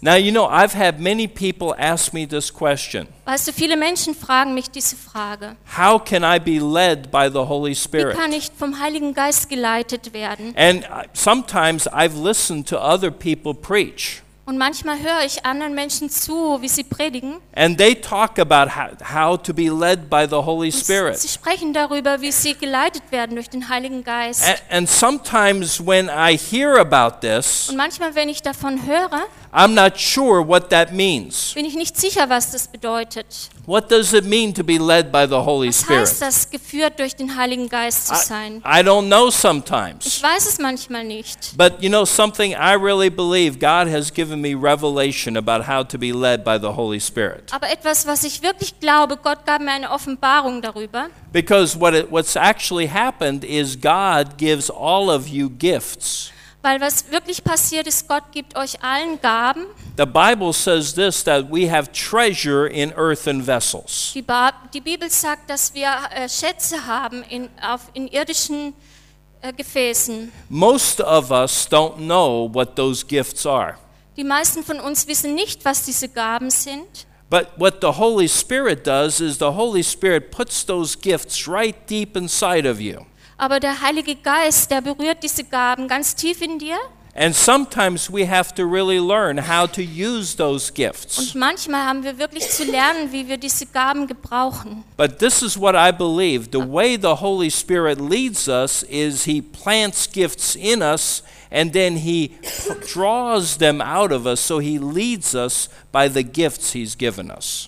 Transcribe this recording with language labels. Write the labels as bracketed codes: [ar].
[en] Now you know I've had many people ask me this question. [de] Weißt du, viele Menschen fragen mich diese Frage. [en] How can I be led by the Holy Spirit? [de] Wie kann ich vom Heiligen Geist geleitet werden? [en] And sometimes I've listened to other people preach. [de] Und manchmal höre ich anderen Menschen zu, wie sie predigen. [en] And they talk about how to be led by the Holy Spirit. [de] Sie sprechen darüber, wie sie geleitet werden durch den Heiligen Geist. [en] And sometimes when I hear about this, [de] und manchmal wenn ich davon höre, [en] I'm not sure what that means. [de] Bin ich nicht sicher, was das bedeutet. [en] What does it mean to be led by the Holy Spirit? [de] Was heißt das, geführt durch den Heiligen Geist zu sein? [en] I don't know sometimes. [de] Ich weiß es manchmal nicht. [en] But you know something, I really believe God has given me revelation about how to be led by the Holy Spirit. [de] Aber etwas, was ich wirklich glaube, Gott gab mir eine Offenbarung darüber. [en] Because what's actually happened is God gives all of you gifts. [de] Weil was wirklich passiert ist, Gott gibt euch allen Gaben. [en] The Bible says this, that we have treasure in earthen vessels. [de] Die Bibel sagt, dass wir Schätze haben in irdischen Gefäßen. [en] Most of us don't know what those gifts are. [de] Die meisten von uns wissen nicht, was diese Gaben sind. [en] But what the Holy Spirit does is the Holy Spirit puts those gifts right deep inside of you. [de] Aber der Heilige Geist, der berührt diese Gaben ganz tief in dir. [en] And sometimes we have to really learn how to use those gifts. [de] Und manchmal haben wir wirklich zu lernen, wie wir diese Gaben gebrauchen. [en] But this is what I believe. The way the Holy Spirit leads us is he plants gifts in us and then he draws them out of us, so he leads us by the gifts he's given us.